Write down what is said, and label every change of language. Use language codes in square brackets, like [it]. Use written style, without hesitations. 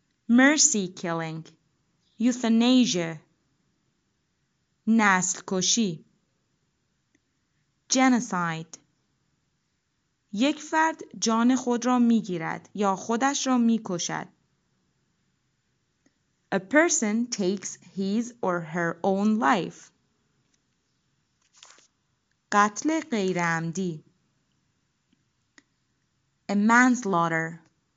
[en] Mercy killing. Euthanasia. [fa] نسل کشی. [en] Genocide. [fa] یک فرد جان خود را می گیرد یا خودش را می کشد. [en] A person takes his or her own life. [fa] قتل غیر عمدی. [en] A manslaughter.